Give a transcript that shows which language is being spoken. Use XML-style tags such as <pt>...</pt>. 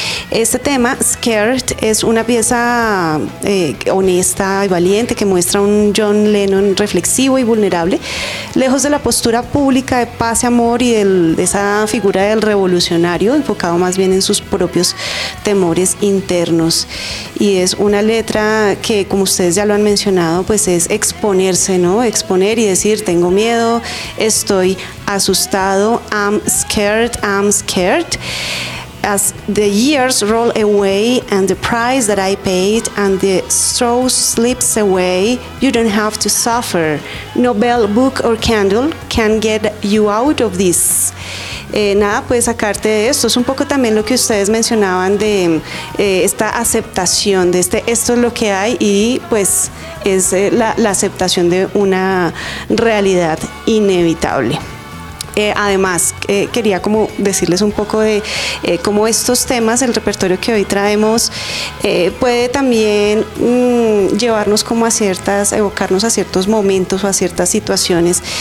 <es>Este tema, Scared, es una pieza honesta y valiente que muestra un John Lennon reflexivo y vulnerable, lejos de la postura pública de paz y amor y de esa figura del revolucionario, enfocado más bien en sus propios temores internos. Y es una letra que, como ustedes ya lo han mencionado, pues es exponerse, ¿no? Exponer y decir: tengo miedo, estoy asustado,</es> <en>I'm scared. As the years roll away and the price that I paid and the straw slips away, you don't have to suffer. No bell, book or candle can get you out of this.</en> <es>Nada puede sacarte de esto. Es un poco también lo que ustedes mencionaban de esta aceptación, de este "esto es lo que hay", y pues es la aceptación de una realidad inevitable. Además, quería como decirles un poco de cómo estos temas, el repertorio que hoy traemos, puede también llevarnos como a ciertas, evocarnos a ciertos momentos o a ciertas situaciones.</es>